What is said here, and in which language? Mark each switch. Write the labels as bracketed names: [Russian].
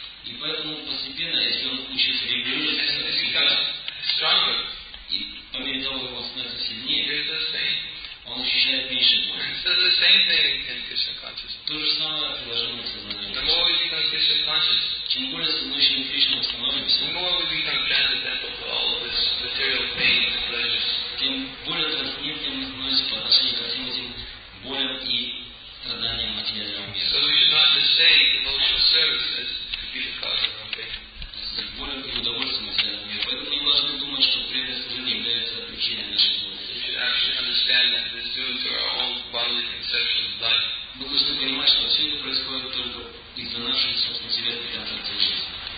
[Russian] И поэтому постепенно, если он учится регулировать себя, [English] stronger. [Russian] И по мере того, как он становится сильнее, [English] there is less pain. [Russian] Он ощущает меньше боли. [English] So the same thing in Krishna consciousness. [Russian] То же самое приложение к сознанию. [English] The more we become Krishna conscious. [Russian] Чем более сознающим Кришну становимся, [English] the more we become transcendental for all of this material pain and pleasures. [Russian] Тем более трансцендентным становимся по отношению ко всем этим болям и страданиям материального мира. [English] So we should not mistake devotional service as could be the cause of our pain. [Russian] С болем и удовольствием материального мира. Поэтому мы не должны думать, что преданное служение является причиной нашей боли. [English] We should actually understand that this is due to our own bodily conception of life. [Russian] Мы должны понимать, что все это происходит только из-за нашей собственной телесной концепции жизни.